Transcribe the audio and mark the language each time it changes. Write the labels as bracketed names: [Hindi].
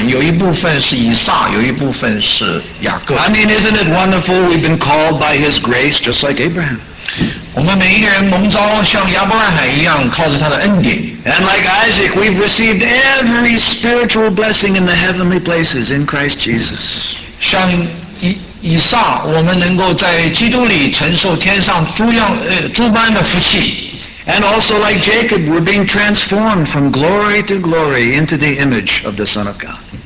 [Chinese] 其实在座的每一位，我们都是有一部分是属于亚伯拉罕，有一部分是以撒，有一部分是雅各。 [English] I mean, isn't it wonderful we've been called by His grace just like Abraham? [Chinese] 我们每一个人蒙召像亚伯拉罕一样，靠着他的恩典。 [English] And like Isaac, we've received every spiritual blessing in the heavenly places in Christ Jesus. [Chinese] 像以撒，我们能够在基督里承受天上诸般的福气。 [English] And also like Jacob, we're being transformed from glory to glory into the image of the Son of God.